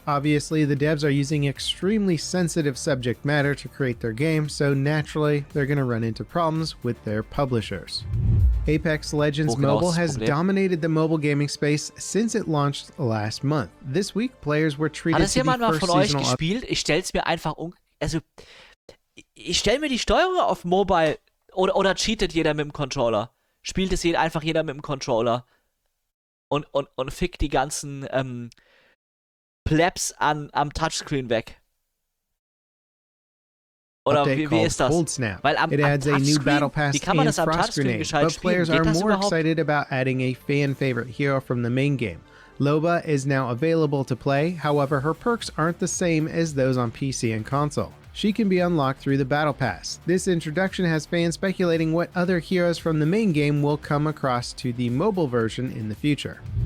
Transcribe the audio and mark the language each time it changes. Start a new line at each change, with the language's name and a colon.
English: Obviously, the devs are using extremely sensitive subject matter to create their game, so naturally, they're going to run into problems with their publishers. Apex Legends Mobile has dominated the mobile gaming space since it launched last month. This week, players were treated to the first seasonal...
German: Hat es jemand mal von euch gespielt? Ich stell's mir einfach un... Also, ich stell mir die Steuerung auf Mobile... Oder cheatet jeder mit dem Controller? Spielt es einfach jeder mit dem Controller? Und fickt die ganzen Plebs am Touchscreen weg? Oder wie ist das? Cold Snap. Weil am Touchscreen, wie kann man das am Touchscreen gescheit spielen?
English: But players are more excited about adding a fan-favorite hero from the main game. Loba is now available to play, however her perks aren't the same as those on PC and console. She can be unlocked through the Battle Pass. This introduction has fans speculating what other heroes from the main game will come across to the mobile version in the future.